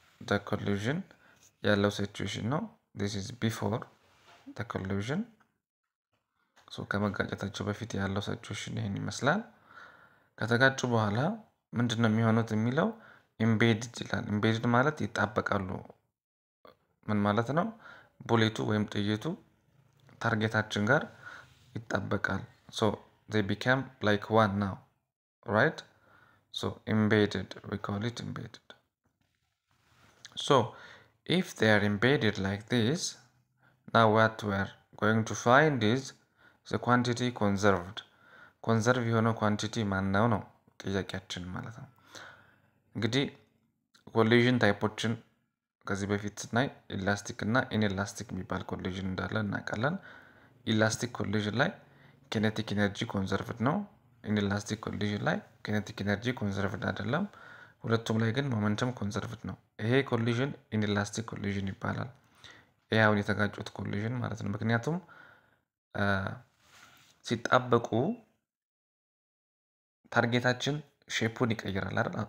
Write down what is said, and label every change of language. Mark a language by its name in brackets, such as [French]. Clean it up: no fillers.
[Amharic] ደ ኮሉዥን ያለው ሲትዌሽን ነው። [English] ዚስ ኢዝ ቢፎር ደ ኮሉዥን። [Amharic] ሶ ከመጋጨታቸው በፊት ያለው ሲትዌሽን ይህን ይመስላል። ከተጋጩ በኋላ ምንድን ነው የሚሆኑት የሚለው ኢምቤድድ ይላል። ኢምቤድድ ማለት ይጣበቃሉ። ምን ማለት ነው? ቡሌቱ ወይም ጥይቱ ታርጌታችን ጋር ይጣበቃል። [English] So they become like one now, right? So embedded, we call it embedded. So if they are embedded like this, now what we are going to find is the quantity conserved. [Amharic] Conserve የሆነ quantity ማነው ነው ጥያቄያችን ማለት ነው። እንግዲህ collision ታይፖችን ከዚህ በፊት ስናይ elastic እና inelastic የሚባል collision እንዳለ እናውቃለን። elastic collision ላይ ኬኔቲክ ኢነርጂ ኮንዘርቭድ ነው። ኢንኤላስቲክ ኮሊዥን ላይ ኬኔቲክ ኢነርጂ ኮንዘርቭድ አይደለም። ሁለቱም ላይ ግን ሞመንተም ኮንዘርቭድ ነው። ይሄ ኮሊዥን ኢንኤላስቲክ ኮሊዥን ይባላል። ይሄ አሁን የተጋጩት ኮሊዥን ማለት ነው። ምክንያቱም ሲጣበቁ ታርጌታችን ሼፑን ይቀይራል አይደል?